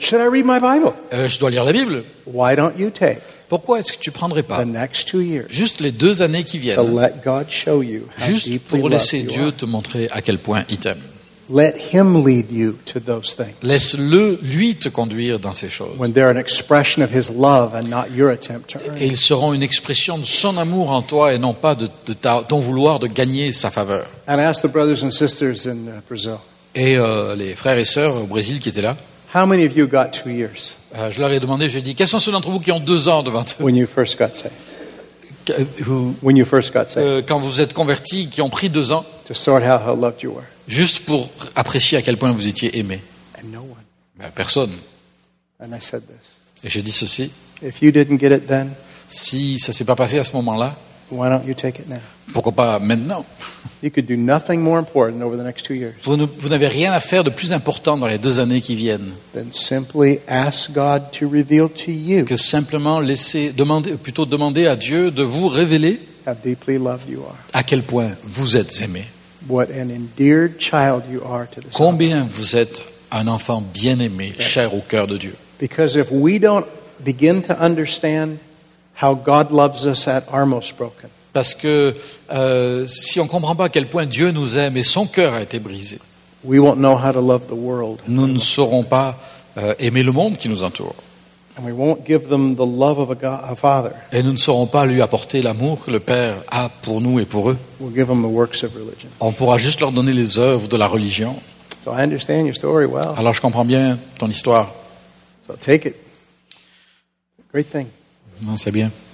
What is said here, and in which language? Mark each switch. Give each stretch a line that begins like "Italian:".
English: Should I read my Bible?
French: Je dois lire la Bible.
English: Why don't you take,
French: pourquoi est-ce que tu ne prendrais pas
English: next 2 years,
French: juste les 2 années qui viennent,
English: to let God show you how
French: juste
English: deeply
French: pour laisser
English: loved
French: Dieu
English: you are.
French: Te montrer à quel point il t'aime.
English: Let him lead you to those things.
French: Laisse-le lui te conduire dans ces choses.
English: When they're an expression of his love and not your attempt to earn.
French: Et ils seront une expression de son amour en toi et non pas ton vouloir de gagner sa faveur.
English: And ask the brothers and sisters in Brazil.
French: Et les frères et sœurs au Brésil qui étaient là.
English: How many of you got 2 years?
French: Je leur ai demandé, j'ai dit, quels sont ceux d'entre vous qui ont 2 ans devant eux?
English: When you first got saved. When you first got saved.
French: Quand vous êtes convertis, qui ont pris 2 ans.
English: To sort out how loved you were.
French: Juste pour apprécier à quel point vous étiez aimé.
English: And no one.
French: Mais personne.
English: And I said this.
French: Et j'ai dit ceci.
English: If you didn't get it then,
French: si ça ne s'est pas passé à ce moment-là,
English: why don't you take it now?
French: Pourquoi pas maintenant? Vous n'avez rien à faire de plus important dans les 2 années qui viennent
English: than simply ask God to reveal to you
French: que simplement demander à Dieu de vous révéler
English: how deeply loved you are.
French: À quel point vous êtes aimé.
English: What an endeared child you are to the Son.
French: Combien vous êtes un enfant bien-aimé, okay. Cher au cœur de Dieu.
English: Because if we don't begin to understand how God loves us at our most broken.
French: Parce que si on ne comprend pas à quel point Dieu nous aime et son cœur a été brisé,
English: we won't know how to love the world.
French: Nous ne saurons pas aimer le monde qui nous entoure.
English: And we won't give them the love of a father.
French: Et nous ne saurons pas lui apporter l'amour que le Père a pour nous et pour eux.
English: We'll give them the works of religion.
French: On pourra juste leur donner les œuvres de la religion.
English: So I understand your story well.
French: Alors je comprends bien ton histoire.
English: So take it. Great thing.
French: Non, c'est bien.